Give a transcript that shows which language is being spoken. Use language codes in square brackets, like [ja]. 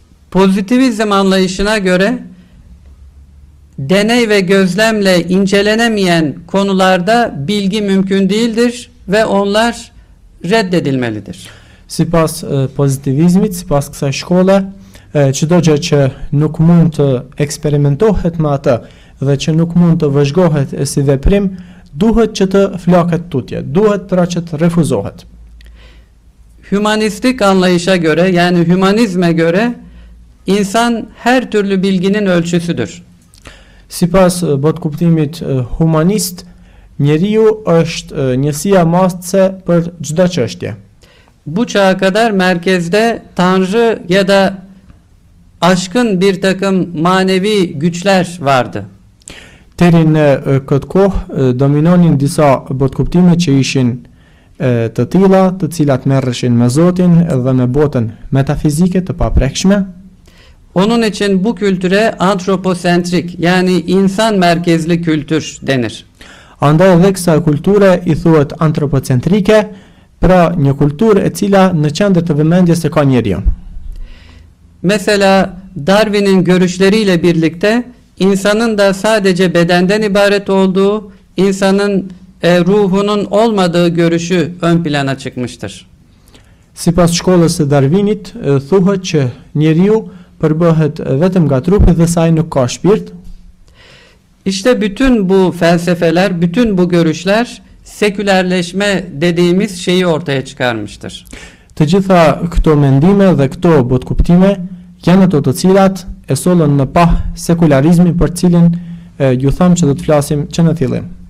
[tr] Pozitivizm anlayışına göre deney ve gözlemle incelenemeyen konularda bilgi mümkün değildir ve onlar reddedilmelidir. [sq] Sipas pozitivizmit, sipas kësaj shkolle, çdo gjë që nuk mund të eksperimentohet me atë dhe që nuk mund të vëzhgohet si veprim, duhet që të flaket tutje, duhet pra që të refuzohet. [tr] Humanistik anlayışa göre, yani humanizme göre, insan her türlü bilginin ölçüsüdür. [sq] Sipas botëkuptimit humanist, njeriu është njësia masse për çdo çështje. [tr] Bu çağa kadar merkezde tanrı ya da aşkın bir takım manevi güçler vardı. [sq] Derin këtë kohë dominonin disa botkuptime që ishin të tilla, të cilat merreshin me Zotin dhe me botën metafizike të paprekshme. [tr] Onun için bu kültüre antroposentrik, yani insan merkezli kültür denir. [sq] Andaj edhe kësaj kulture i thuhet antropocentrike, pra një kulturë e cila në qendër të vëmendjes e ka njeriu. [tr] Mesela Darwin'in görüşleriyle birlikte insanın da sadece bedenden ibaret olduğu, insanın ruhunun olmadığı görüşü ön plana çıkmıştır. [sq] Sipas shkollës së Darwinit, thuhet që njeriu përbëhet vetëm nga trupi dhe sa ai nuk ka shpirt. [tr] İşte bütün bu felsefeler, bütün bu görüşler sekülerleşme dediğimiz şeyi ortaya çıkarmıştır. [sq] Të gjitha këto mendime dhe këto botkuptime janë ato të cilat e sollën në pah sekularizmin për cilin ju tham që do të flasim që në fillim.